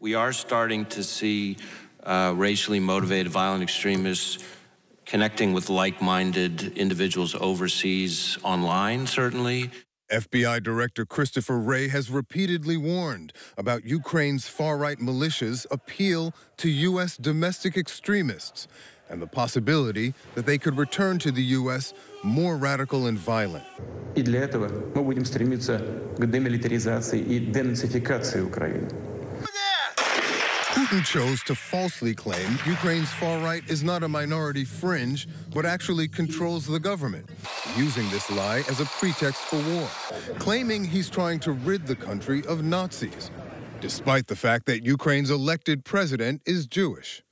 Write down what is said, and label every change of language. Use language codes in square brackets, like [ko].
[en] We are starting to see racially motivated violent extremists connecting with like-minded individuals overseas online, certainly. FBI Director Christopher Wray has repeatedly warned about Ukraine's far-right militias' appeal to U.S. domestic extremists and the possibility that they could return to the U.S. more radical and violent. [ru] И для этого мы будем стремиться к демилитаризации и денацификации Украины. [en] Putin chose to falsely claim Ukraine's far-right is not a minority fringe, but actually controls the government, using this lie as a pretext for war, claiming he's trying to rid the country of Nazis, despite the fact that Ukraine's elected president is Jewish.